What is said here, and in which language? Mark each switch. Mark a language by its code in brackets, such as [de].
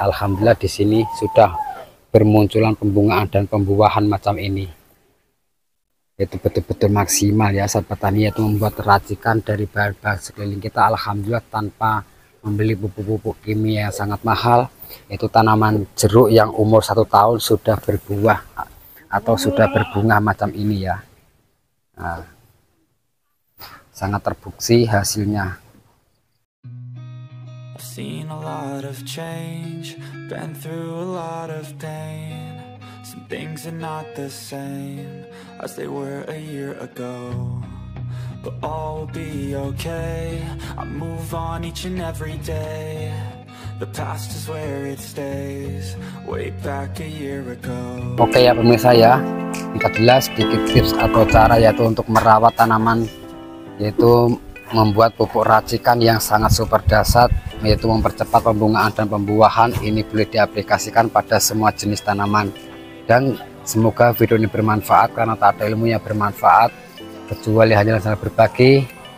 [id] Alhamdulillah di sini sudah bermunculan pembungaan dan pembuahan macam ini, itu betul-betul maksimal ya sahabat tani, yaitu membuat racikan dari bahan-bahan sekeliling kita alhamdulillah tanpa membeli pupuk-pupuk kimia yang sangat mahal. Itu tanaman jeruk yang umur 1 tahun sudah berbuah atau sudah berbunga macam ini ya. Nah, sangat terbukti hasilnya. [en] Seen a lot of change, been through a lot of pain. Some things are not the same as they were a year ago. But all will be okay, I move on each and every day. The past is where it stays, way back a year ago. [id] Oke ya pemirsa ya, kita jelas sedikit tips atau cara yaitu untuk merawat tanaman, yaitu membuat pupuk racikan yang sangat super dahsyat, yaitu mempercepat pembungaan dan pembuahan. Ini boleh diaplikasikan pada semua jenis tanaman, dan semoga video ini bermanfaat karena tak ada ilmu yang bermanfaat kecuali hanya saya berbagi.